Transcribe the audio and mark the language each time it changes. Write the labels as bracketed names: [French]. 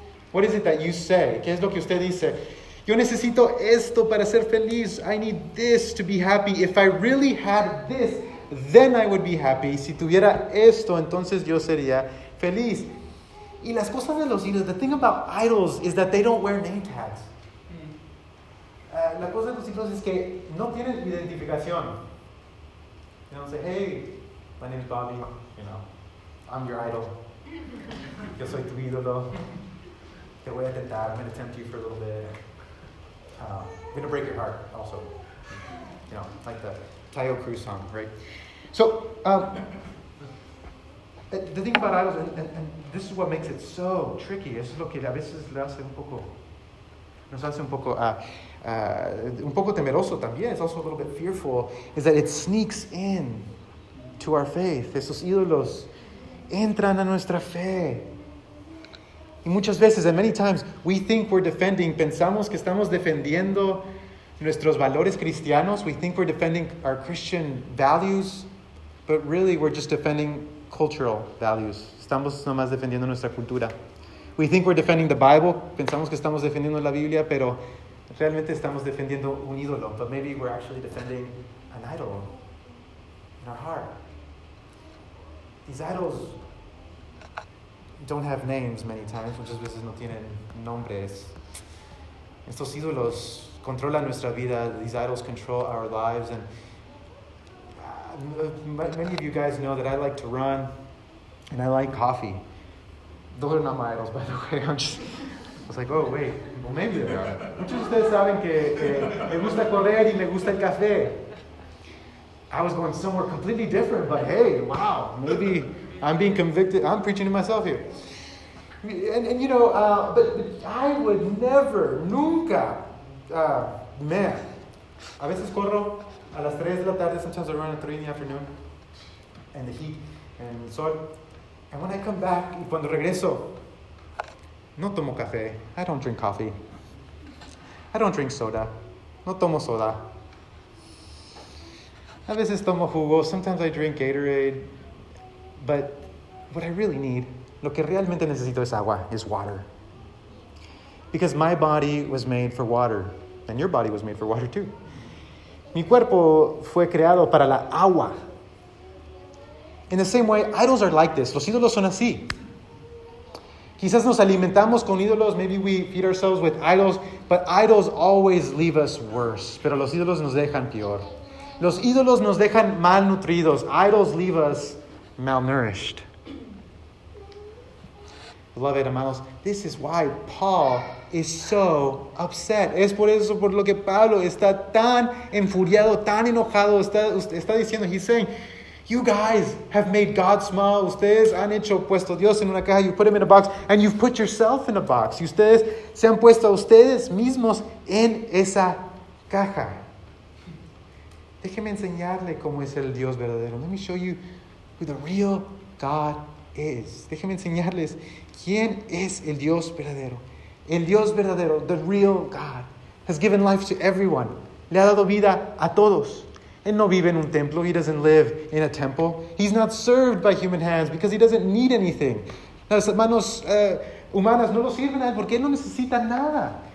[English] What is it that you say? [Spanish] ¿Qué es lo que usted dice? Yo necesito esto para ser feliz. [English] I need this to be happy. If I really had this, then I would be happy. [Spanish] Si tuviera esto, entonces yo sería feliz. Y las cosas de los ídolos, [English] the thing about idols is that they don't wear name tags. [Spanish] La cosa de los ídolos es que no tienen identificación. [English] You don't say, hey, my name is Bobby, you know, I'm your idol. [Spanish] Yo soy tu ídolo. Te voy a tentar, [English] I'm going to tempt you for a little bit. I'm going to break your heart also. You know, like the Tayo Cruz song, right? So, the thing about idols, and this is what makes it so tricky, [Spanish] eso es lo que a veces le hace un poco, nos hace un poco, un poco temeroso también, [English] it's also a little bit fearful, is that it sneaks in to our faith. [Spanish] Esos ídolos entran a nuestra fe. Y muchas veces, [English] and many times, we think we're defending, [Spanish] pensamos que estamos defendiendo nuestros valores cristianos, [English] we think we're defending our Christian values, but really we're just defending cultural values. [Spanish] Estamos nomás defendiendo nuestra cultura. [English] We think we're defending the Bible. [Spanish] Pensamos que estamos defendiendo la Biblia, pero realmente estamos defendiendo un ídolo. [English] But maybe we're actually defending an idol in our heart. These idols don't have names many times. [Spanish] Muchas veces no tienen nombres. Estos ídolos controlan nuestra vida. [English] These idols control our lives. And many of you guys know that I like to run and I like coffee. Those are not my idols, by the way. I was like, oh, wait. Well, maybe they are. [Spanish] Muchos de ustedes saben que me gusta correr y me gusta el café. [English] I was going somewhere completely different, but hey, wow. Maybe I'm being convicted. I'm preaching to myself here. And you know, but I would never, nunca, man. [Spanish] A veces corro a las 3 de la tarde. [English] Sometimes I run at 3 in the afternoon. And the heat and the sol. And when I come back, [Spanish] y cuando regreso, no tomo café. [English] I don't drink coffee. I don't drink soda. [Spanish] No tomo soda. A veces tomo jugo. [English] Sometimes I drink Gatorade. But what I really need, [Spanish] lo que realmente necesito es agua, [English] is water. Because my body was made for water. And your body was made for water too. [Spanish] Mi cuerpo fue creado para la agua. [English] In the same way, idols are like this. [Spanish] Los ídolos son así. Quizás nos alimentamos con ídolos. [English] Maybe we feed ourselves with idols. But idols always leave us worse. [Spanish] Pero los ídolos nos dejan peor. Los ídolos nos dejan malnutridos. [English] Idols leave us malnourished. Beloved, hermanos, this is why Paul is so upset. [Spanish] Es por eso por lo que Pablo está tan enfuriado, tan enojado. Está diciendo, [English] he's saying, you guys have made God small. [Spanish] Ustedes han hecho puesto Dios en una caja. [English] You put him in a box and you've put yourself in a box. [Spanish] Y ustedes se han puesto a ustedes mismos en esa caja. Déjeme enseñarle cómo es el Dios verdadero. [English] Let me show you who the real God is. [Spanish] Déjeme enseñarles quién es el Dios verdadero. El Dios verdadero, [English] the real God, has given life to everyone. [Spanish] Le ha dado vida a todos. Él no vive en un templo. [English] He doesn't live in a temple. He's not served by human hands because he doesn't need anything. [Spanish] Las manos humanas no lo sirven a él porque él no necesita nada.